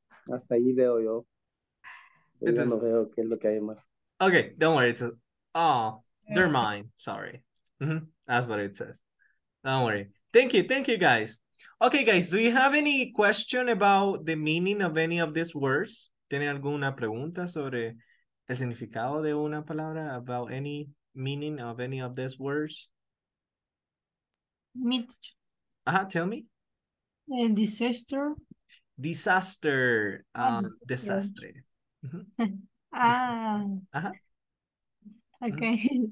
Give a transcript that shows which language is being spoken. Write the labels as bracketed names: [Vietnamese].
[Spanish] Hasta ahí veo yo. It's [English] okay, don't worry. It's they're mine. Sorry. Mm-hmm. That's what it says. Don't worry. Thank you. Thank you, guys. Okay, guys, do you have any question about the meaning of any of these words? [Spanish] ¿Tiene alguna pregunta sobre el significado de una palabra? [English] About any meaning of any of these words? Tell me. And disaster. Disaster. Desastre. Okay.